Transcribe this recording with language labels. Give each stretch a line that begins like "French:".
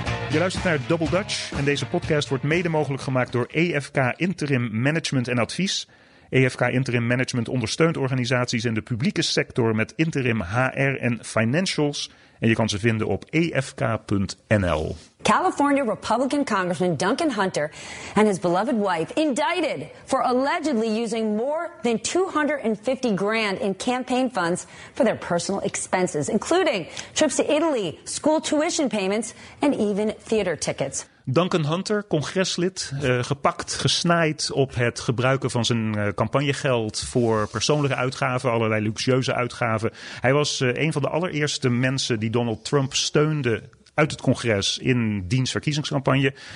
Dutch: Je luistert naar Double Dutch en deze podcast wordt mede mogelijk gemaakt door EFK Interim Management en Advies. EFK Interim Management ondersteunt organisaties in de publieke sector met interim HR en financials. En je kan ze vinden op efk.nl.
English: California Republican Congressman Duncan Hunter and his beloved wife indicted for allegedly using more than $250,000 in campaign funds for their personal expenses, including trips to Italy, school tuition payments and even theater tickets.
Dutch: Duncan Hunter, congreslid, gepakt, gesnaaid op het gebruiken van zijn campagnegeld voor persoonlijke uitgaven, allerlei luxueuze uitgaven. Hij was een van de allereerste mensen die Donald Trump steunde uit het congres in diens verkiezingscampagne.